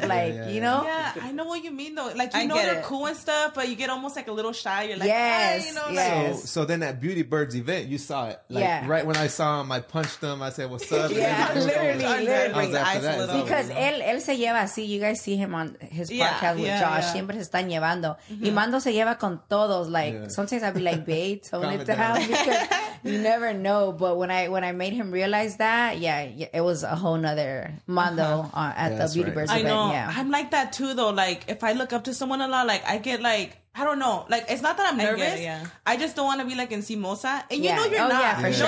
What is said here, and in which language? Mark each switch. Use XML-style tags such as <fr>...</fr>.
<en>Yeah, I know what you mean though. Like, you know, they're cool and stuff, but you get almost like a little shy. You're like, So then at Beauty Birds event, you saw it. Like, right when I saw him, I punched him. I said, what's up?</en> <es>Él se lleva así.</es> <en>You guys see him on his podcast with Josh. Yeah.</en> <es>Siempre se están llevando. Mm-hmm. Y Mando se lleva con todos.</es> <en>Like, sometimes I'd be like, babe, tone it down. You never know. But when I made him realize that, it was a whole nother Mando at the Beauty Birds event. I know. Yeah. I'm like that too, though. Like, if I look up to someone a lot, like, I get like, I don't know. Like, it's not that I'm nervous. I just don't want to be like in Simosa. And you know you're not.</en>